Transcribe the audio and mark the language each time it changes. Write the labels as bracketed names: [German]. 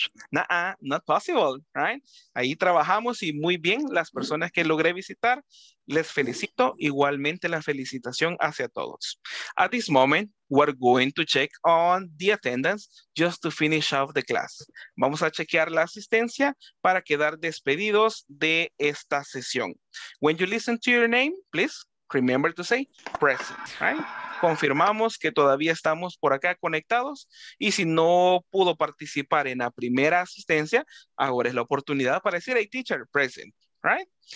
[English] Not possible, right? [Spanish] Ahí trabajamos y muy bien las personas que logré visitar. Les felicito. Igualmente la felicitación hacia todos. [English] At this moment, we're going to check on the attendance just to finish off the class. [Spanish] Vamos a chequear la asistencia para quedar despedidos de esta sesión. [English] When you listen to your name, please remember to say present, right? [Spanish] Confirmamos que todavía estamos por acá conectados y si no pudo participar en la primera asistencia, ahora es la oportunidad para decir, [English] hey, teacher, present, right?